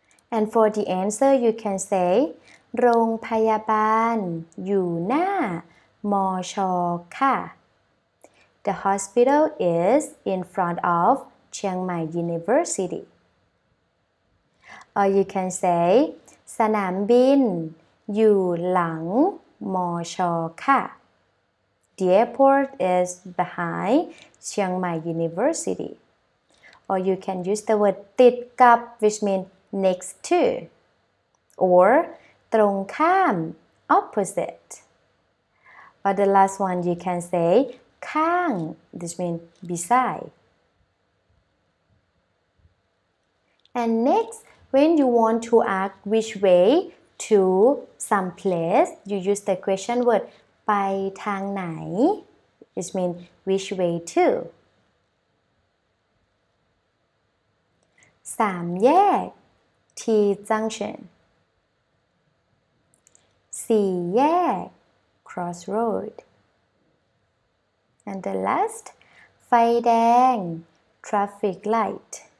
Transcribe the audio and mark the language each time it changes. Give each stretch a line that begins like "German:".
English: And for the answer, you can say
Thai: โรงพยาบาลอยู่หน้าม.ช. ค่ะ
English: The hospital is in front of Chiang Mai University. Or you can say,
Thai: สนามบินอยู่หลังม. ช. ค่ะ
English: The airport is behind Chiang Mai University. Or you can use the word
Thai: ติดกับ
English: which means next to. Or
Thai: ตรงข้าม
English: opposite. But the last one you can say
Thai: ข้าง
English: this means beside. And next, When you want to ask which way to some place, you use the question word
Thai: ไปทางไหน
English: which means which way to. 3
Thai: แยก
English: T junction 4 แยก crossroad and the last
Thai: ไฟแดง
English: traffic light.